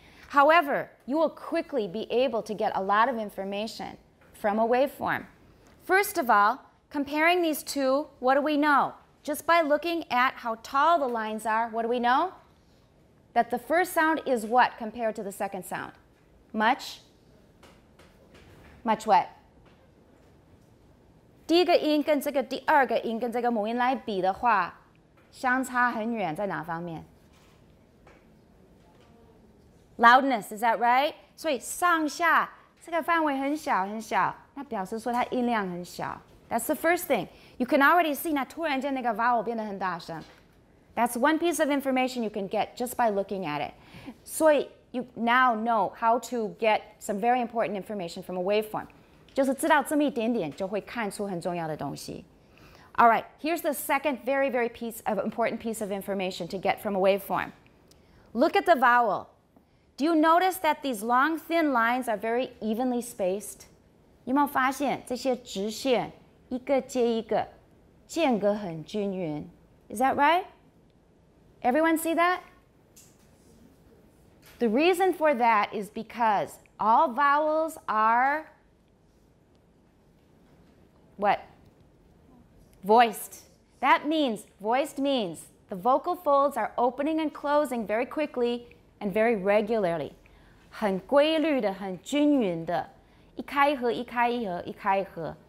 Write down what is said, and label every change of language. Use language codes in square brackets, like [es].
[en] However, you will quickly be able to get a lot of information from a waveform. First of all, comparing these two, what do we know? Just by looking at how tall the lines are, what do we know? That the first sound is what compared to the second sound? Much? Much what? [zh] 第一个音跟这个第二个音跟这个母音来比的话，相差很远，在哪方面？ [en] Loudness, is that right? [zh] 所以上下这个范围很小很小。那表示说它音量很小。 [en] That's the first thing. You can already see [zh] 那突然间那个 vowel 变得很大声。 [en] That's one piece of information you can get just by looking at it. So you now know how to get some very important information from a waveform. [zh] 就是知道这么一点点就会看出很重要的东西。 [en] All right, here's the second very, very piece of important piece of information to get from a waveform. Look at the vowel. Do you notice that these long, thin lines are very evenly spaced? [zh] 有没有发现这些直线一个接一个间隔很均匀 [en] Is that right? Everyone see that? The reason for that is because all vowels are what? Voiced. That means, voiced means the vocal folds are opening and closing very quickly and very regularly. [zh] 很规律的很均匀的一开一合一开一合一开一合